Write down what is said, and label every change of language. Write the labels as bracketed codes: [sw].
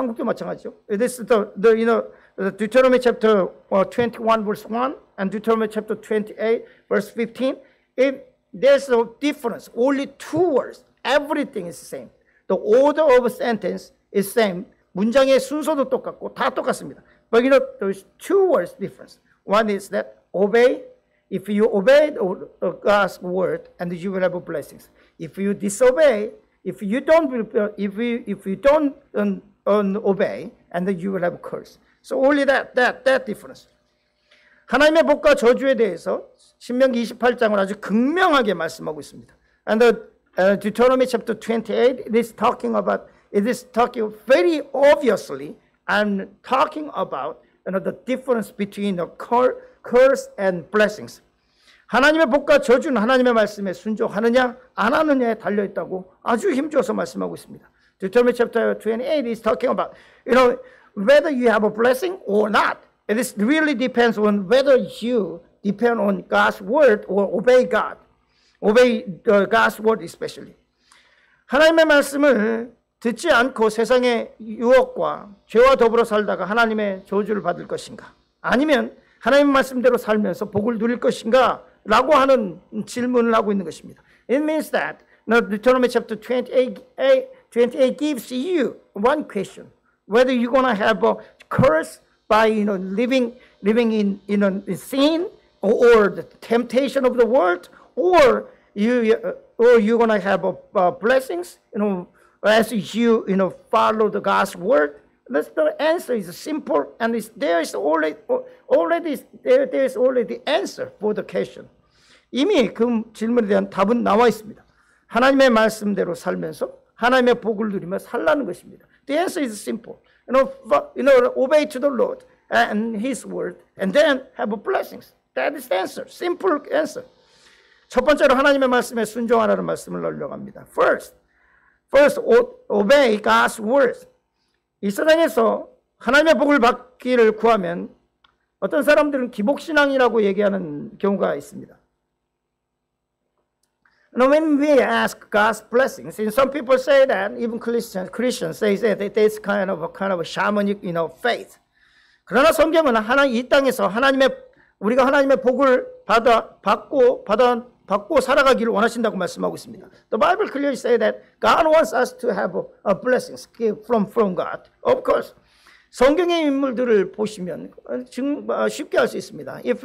[ko] 한국도 마찬가지죠. [en] It is Deuteronomy chapter 21 verse 1 and Deuteronomy chapter 28 verse 15. There's no difference. Only two words. Everything is the same. The order of sentence is same. [ko] 문장의 순서도 똑같고 다 똑같습니다. [en] But there's two words difference. One is that obey. If you obey God's word and you will have blessings. If you disobey, if you don't obey, and then you will have a curse. So only that difference. [ko] 하나님의 복과 저주에 대해서 신명기 28장은 아주 극명하게 말씀하고 있습니다. [en] And Deuteronomy chapter 28, it is talking very obviously, and talking about the difference between the curse and blessings. [ko] 하나님의 복과 저주는 하나님의 말씀에 순종하느냐 안 하느냐에 달려 있다고 아주 힘줘서 말씀하고 있습니다. [en] Deuteronomy chapter 28 is talking about, whether you have a blessing or not. It is really depends on whether you depend on God's word or obey God. Obey God's word especially. [ko] 하나님의 말씀을 듣지 않고 세상의 유혹과 죄와 더불어 살다가 하나님의 저주를 받을 것인가? 아니면 하나님 말씀대로 살면서 복을 누릴 것인가? 라고 하는 질문을 하고 있는 것입니다. [en] It means that Deuteronomy chapter 28 gives you one question. Whether you're going to have a curse by living in sin or the temptation of the world or you're going to have a blessings as you follow the God's word The answer is simple and it's, there is already, there is already the answer for the question. [ko] 이미 그 질문에 대한 답은 나와 있습니다. 하나님의 말씀대로 살면서 하나님의 복을 누리며 살라는 것입니다. [en] The answer is simple. Obey to the Lord and His word and then have blessings. That is the answer. Simple answer. [ko] 첫 번째로 하나님의 말씀에 순종하라는 말씀을 하려고 합니다. [en] First, obey God's word. [ko] 이 세상에서 하나님의 복을 받기를 구하면 어떤 사람들은 기복신앙이라고 얘기하는 경우가 있습니다. [en] Now, when we ask God's blessings, and some people say that, even Christians say that it's kind of a shamanic, you know, faith. [ko] 그러나 성경은 이 땅에서 우리가 하나님의 복을 받고 살아가기를 원하신다고 말씀하고 있습니다. [en] The Bible clearly says that God wants us to have a blessings from God. Of course. [ko] 성경의 인물들을 보시면 쉽게 알 수 있습니다.